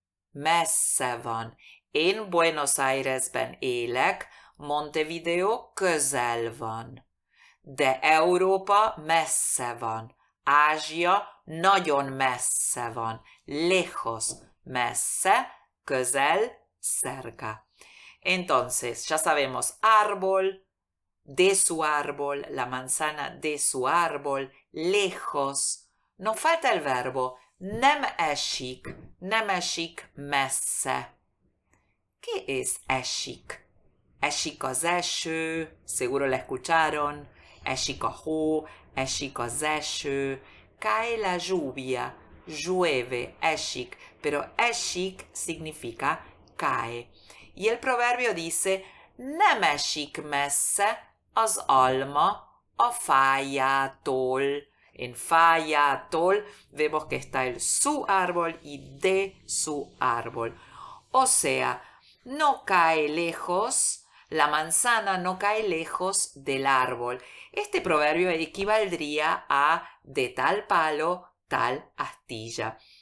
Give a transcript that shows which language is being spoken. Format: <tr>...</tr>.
<hu>Messze van. Én Buenos Airesben élek, Montevideo közel van. De Európa messze van. Ázsia nagyon messze van.</hu> <es>Lejos,</es> <hu>messze, közel,</hu> <es>cerca. Entonces, ya sabemos, árbol, de su árbol, la manzana de su árbol, lejos. Nos falta el verbo,</es> <hu>nem esik messze.</hu> <es>¿Qué es esik?</es> <hu>Esik az eső,</hu> <es>seguro la escucharon.</es> <hu>Esik a hó, esik az eső.</hu> <es>Cae la lluvia, llueve,</es> <hu>esik.</hu> <es>Pero esik significa cae. Y el proverbio dice,</es> <hu>nem esik messze az alma a fájától.</hu> <es>En fájától vemos que está el su árbol y de su árbol. O sea, no cae lejos, la manzana no cae lejos del árbol. Este proverbio equivaldría a de tal palo, tal astilla.</es>